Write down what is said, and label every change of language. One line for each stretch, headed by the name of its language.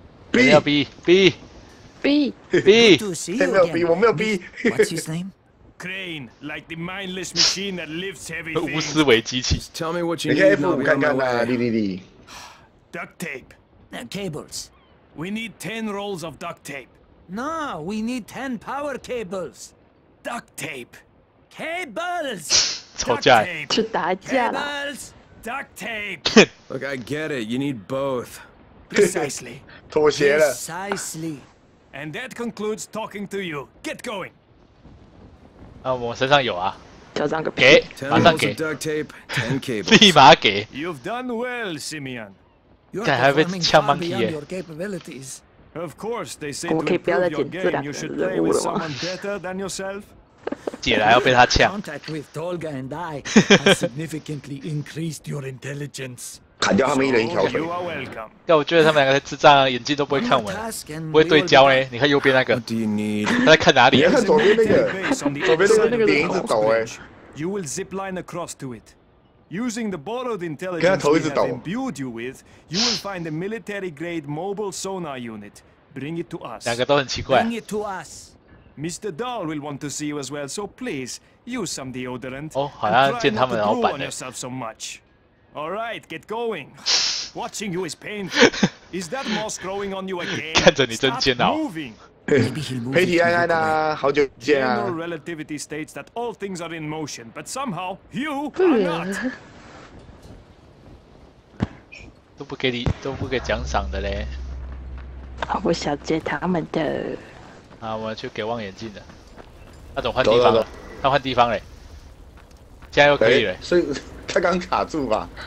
Chinese: B 要 B B B B，没有 B， 我没有 B。
English: What's his name？ Crane, like the mindless machine that lifts heavy things.
Chinese: 无思维机器。
English: Tell me what you need.
Chinese: 你看 F5 看看啦，滴滴滴。
English: Duct tape and cables. We need 10 rolls of duct tape. No, we need 10 power cables. Duct tape, cables.
Chinese: 吵架，去打架了。
English: Duct tape. Look, I get it. You need both. Precisely.
Chinese: 妥协了。
English: Precisely. And that concludes talking to you. Get going.
Chinese: 啊，我身上有啊，嚣张个屁！给，马上给，立马给。
English: You've done well, Simeon. You're performing far beyond your capabilities. Of course, they say to improve your game, you should play with someone better than yourself.
Chinese: 姐来要被他呛。
English: Contact with Tolga and I has significantly increased your intelligence.
Chinese: 砍掉他们一人一条腿。
English: You are welcome.
Chinese: 但我觉得他们两个智障，眼睛都不会看我，不会对焦哎。你看右边那个，他在看哪里、啊？你看左边那个，左边那个脸一直抖哎。
English: You will zip line across to it, using the borrowed intelligence we have imbued you with, you will find a military-grade mobile sonar unit. Bring it to us.
Chinese: 两个都很奇怪。
English: Bring it to us. Mr. Dahl will want to see you as well, so please use some deodorant.
Chinese: 哦，好像见他们老板
English: 了。All right, get going. Watching you is painful. Is that moss growing on you again?
Chinese: 看着你真煎熬。
English: Stop moving. Maybe he'll move. 佩蒂安娜，
Chinese: 好久不见啊。
English: General relativity states that all things are in motion, but somehow you are not.
Chinese: 都不给你，都不给奖赏的嘞。我不想接他们的。啊，我去给望远镜的。那总换地方了，他换地方嘞。现在又可以了。所以。他刚卡住吧，